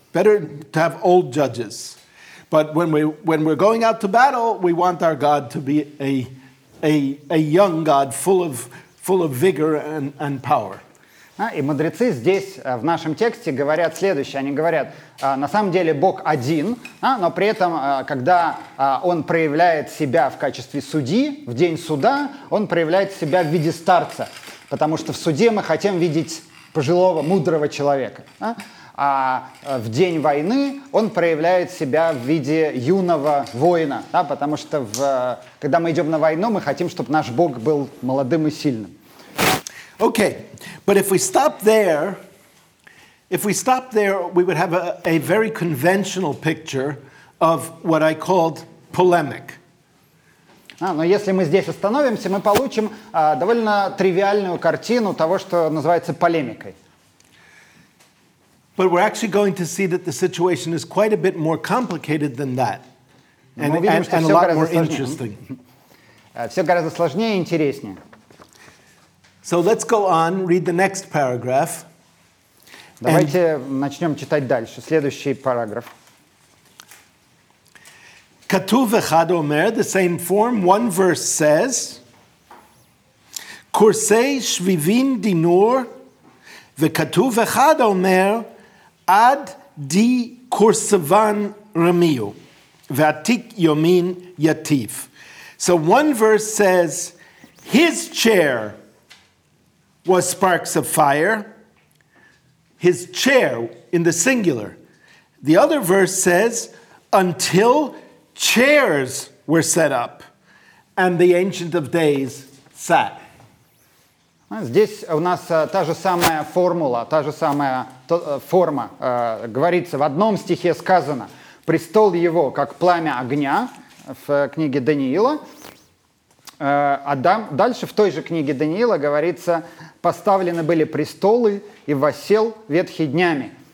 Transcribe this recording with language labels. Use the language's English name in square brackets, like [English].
[English] Better to have old judges. But when we're going out to battle, we want our God to be a young God, full of vigor and power. [Russian] И мудрецы здесь в нашем тексте говорят следующее. Они говорят, на самом деле Бог один, но при этом, когда он проявляет себя в качестве судьи в день суда, он проявляет себя в виде старца, потому что в суде мы хотим видеть пожилого, мудрого человека. А в день войны он проявляет себя в виде юного воина, да, потому что когда мы идем на войну, мы хотим, чтобы наш Бог был молодым и сильным. [English] Okay, but if we stop there, we would have a very conventional picture of what I called polemic. [Russian] Но если мы здесь остановимся, мы получим довольно тривиальную картину того, что называется полемикой. [English] But we're actually going to see that the situation is quite a bit more complicated than that. And a lot more interesting. [Russian] Все гораздо сложнее и интереснее. [English] So let's go on, read the next paragraph. [Russian] Давайте начнем читать дальше, следующий параграф. [Aramaic] Катув эхад омер, [English] the same form, one verse says, [Aramaic] Курсей швивин динур, векатув эхад омер, Ad di kursavan ramiu, v'atik yomin yativ. [English] So one verse says, his chair was sparks of fire. His chair in the singular. The other verse says, until chairs were set up, and the Ancient of Days sat. [Russian] Здесь у нас та же самая формула, та же самая форма. Говорится, в одном стихе сказано: «Престол его, как пламя огня» в книге Даниила. Дальше в той же книге Даниила говорится: «Поставлены были престолы, и воссел ветхий днями».